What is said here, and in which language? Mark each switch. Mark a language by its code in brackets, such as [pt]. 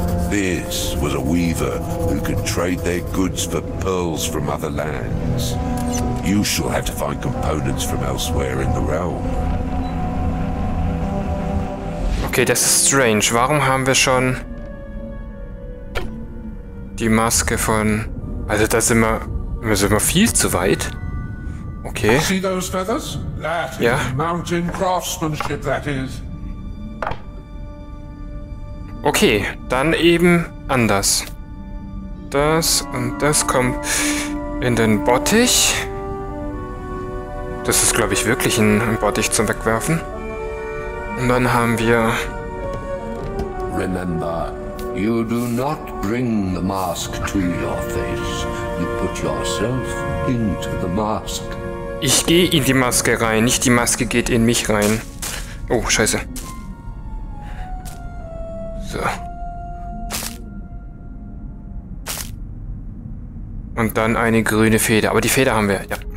[en] This was a weaver who could trade their goods for pearls from other lands. You shall have to find components from elsewhere in the realm. [de] Okay, das ist strange. Warum haben wir schon die Maske von... Also da sind wir... sind wir viel zu weit. Okay. [en] See those feathers? That is mountain craftsmanship, that is. [de] Okay, dann eben anders. Das und das kommt in den Bottich. Das ist, glaube ich, wirklich ein Bottich zum Wegwerfen. Und dann haben wir... [en] Remember, you do not bring the mask to your face. You put yourself into the mask. [de] Ich gehe in die Maske rein, nicht die Maske geht in mich rein. Oh, scheiße. So. Und dann eine grüne Feder. Aber die Feder haben wir, ja.